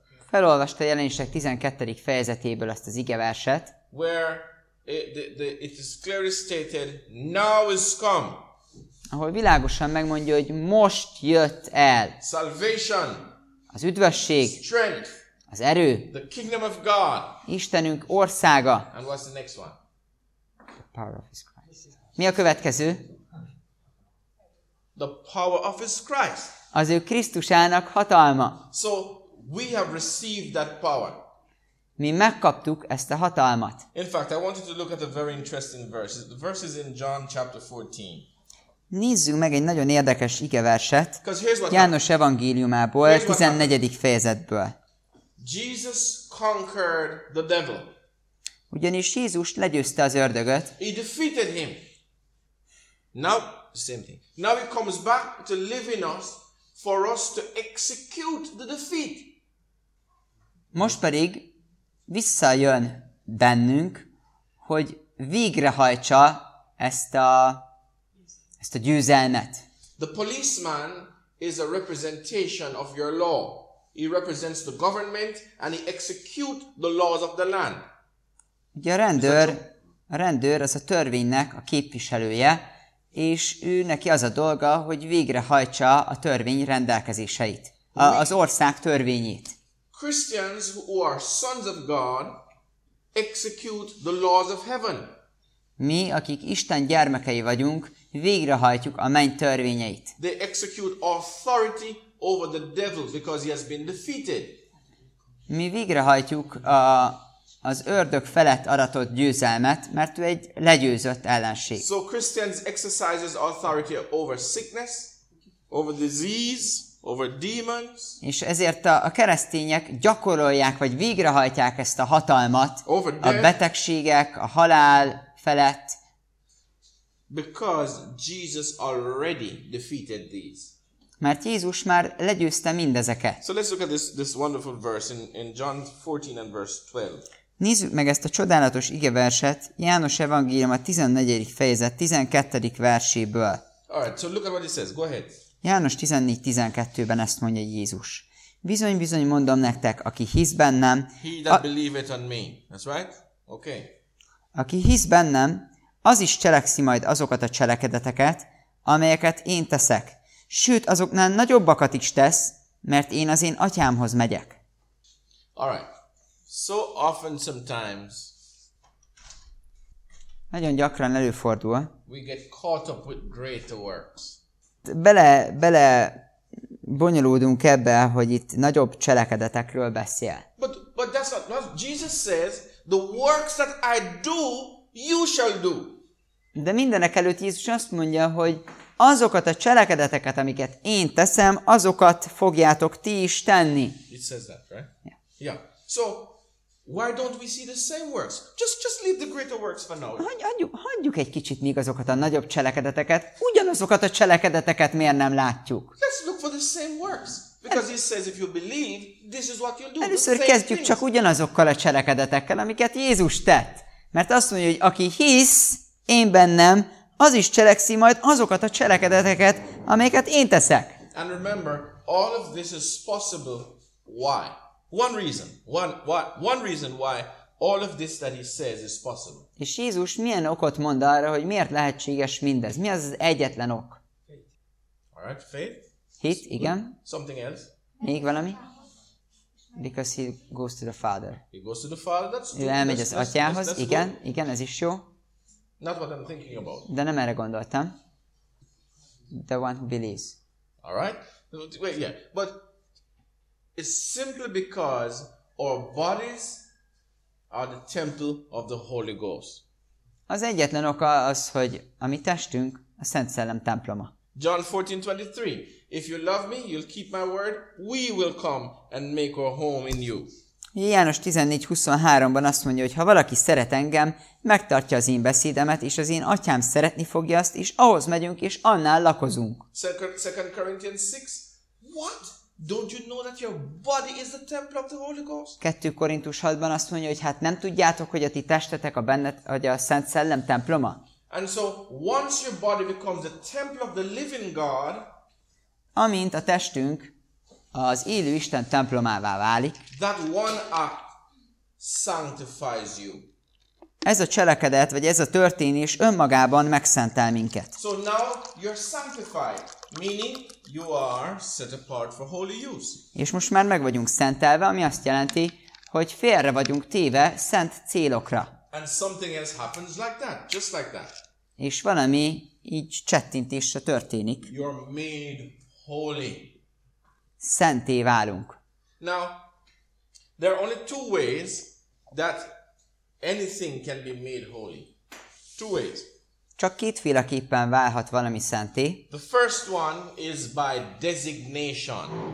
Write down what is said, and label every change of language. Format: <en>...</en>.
<hu>Felolvasta a Jelenések 12. fejezetéből azt az igeverset.</hu> <en>Where it is clearly stated, now is come.</en> <hu>Ahol világosan megmondja, hogy most jött el.</hu> <en>Salvation.</en> <hu>Az üdvösség.</hu> <en>Strength.</en> <hu>Az erő.</hu> <en>The kingdom of God.</en> <hu>Istenünk országa.</hu> <en>And what's the next one? The power of his Christ.</en> <hu>Mi a következő?</hu> <en>The power of his Christ.</en> <hu>Az ő Krisztusának hatalma.</hu> <en>So we have received that power.</en> <hu>Mi megkaptuk ezt a hatalmat.</hu> <en>In fact, I wanted to look at a very interesting verse. The verse is in John chapter 14.</en> <hu>Nézzük meg egy nagyon érdekes igeverset János evangéliumából, 14. fejezetből.</hu> <en>Jesus conquered the devil.</en> <hu>Ugyanis Jézus legyőzte az ördögöt.</hu> <en>He defeated him. Now, same thing. Now he comes back to live in us for us to execute the defeat.</en> <hu>Most pedig visszajön bennünk, hogy végrehajtsa ezt a győzelmet.</hu> <en>The policeman is a representation of your law. He represents the government and he executes the laws of the land.</en> <hu>Ugye a rendőr az a törvénynek a képviselője, és ő neki az a dolga, hogy végrehajtsa a törvény rendelkezéseit, az ország törvényét.</hu> <en>Christians who are sons of God execute the laws of heaven.</en> <hu>Mi, akik Isten gyermekei vagyunk, végrehajtjuk a menny törvényeit.</hu> <en>They execute authority over the devil because he has been defeated.</en> <hu>Mi végrehajtjuk az ördög felett aratott győzelmet, mert ő egy legyőzött ellenség.</hu> <en>So Christians exercises authority over sickness, over disease, over demons.</en> <hu>És ezért a keresztények gyakorolják vagy végrehajtják ezt a hatalmat a betegségek, a halál felett.</hu> <en>Because Jesus already defeated these.</en> <hu>Mert Jézus már legyőzte mindezeket.</hu> <en>So let's look at this wonderful verse in John 14 and verse 12.</en> <hu>Nézzük meg ezt a csodálatos igeverset János evangélium a 14. fejezet 12. verséből.</hu> <en>All right, so look at what it says. Go ahead.</en> <hu>János 14:12-ben ezt mondja Jézus. Bizony-bizony mondom nektek, aki hisz bennem,</hu> <en>he that believeth on me. That's right? Okay.</en> <hu>Aki hisz bennem, az is cselekszi majd azokat a cselekedeteket, amelyeket én teszek. Sőt, azoknál nagyobbakat is tesz, mert én az én atyámhoz megyek.</hu> <en>All right. So often sometimes</en> <hu>nagyon gyakran előfordul,</hu> <en>we get caught up with greater works.</en> <hu>Bele bonyolódunk ebbe, hogy itt nagyobb cselekedetekről beszél.</hu> <en>But that's not what Jesus says, the works that I do, you shall do.</en> <hu>De mindenek előtt Jézus azt mondja, hogy azokat a cselekedeteket, amiket én teszem, azokat fogjátok ti is tenni.</hu> <en>It says that, right? Yeah. So, why don't we see the same works? Just leave the greater works for now.</en> <hu>Hagyjuk egy kicsit még azokat a nagyobb cselekedeteket. Ugyanazokat a cselekedeteket miért nem látjuk?</hu> <en>Let's look for the same works. Because he says if you believe, this is what you'll do.</en> <hu>Először kezdjük csak ugyanazokkal a cselekedetekkel, amiket Jézus tett. Mert azt mondja, hogy aki hisz én bennem, az is cselekszi majd azokat a cselekedeteket, amelyeket én teszek.</hu> <en>And remember, all of this is possible. Why? One reason why all of this that he says is possible.</en> <hu>És Jézus milyen okot mond arra, hogy miért lehetséges mindez? Mi az egyetlen ok?</hu> <en>All right, faith.</en> <hu>Hit, igen.</hu> <en>Something else.</en> <hu>Még valami?</hu> <en>Because he goes to the Father. He goes to the Father. That's true.</en> <hu>Ő elmegy az atyához. Igen, good. Igen, ez is jó.</hu> <en>Not what I'm thinking about.</en> <hu>De nem erre gondoltam.</hu> <en>The one who believes. All right. Wait, yeah. But it's simply because our bodies are the temple of the Holy Ghost.</en> <hu>Az egyetlen oka az, hogy a mi testünk a Szent Szellem temploma.</hu> <en>John 14:23. If you love me, you'll keep my word. We will come and make our home in you.</en> <hu>János 14:23-ban azt mondja, hogy ha valaki szeret engem, megtartja az én beszédemet, és az én atyám szeretni fogja azt, és ahhoz megyünk, és annál lakozunk.</hu> <en>2 Corinthians 6. What? Don't you know that your body is the temple of the Holy Ghost?</en> <hu>2 Korintus 6-ban azt mondja, hogy hát nem tudjátok, hogy a ti testetek a benned, hogy a Szent Szellem temploma?</hu> <en>And so once your body becomes the temple of the living God,</en> <hu>amint a testünk az élő Isten templomává válik,</hu> <en>that one act sanctifies you.</en> <hu>Ez a cselekedet, vagy ez a történés önmagában megszentel minket.</hu> <en>So now you're sanctified, meaning you are set apart for holy use.</en> <hu>És most már meg vagyunk szentelve, ami azt jelenti, hogy félre vagyunk téve szent célokra.</hu> <en>And something else happens like that, just like that.</en> <hu>És valami így csettintésre történik.</hu> <en>You're made holy.</en> <hu>Szenté válunk.</hu> <en>Now, there are only two ways that anything can be made holy. Two ways.</en> <hu>Csak kétféleképpen válhat valami szenté.</hu> <en>The first one is by designation.</en>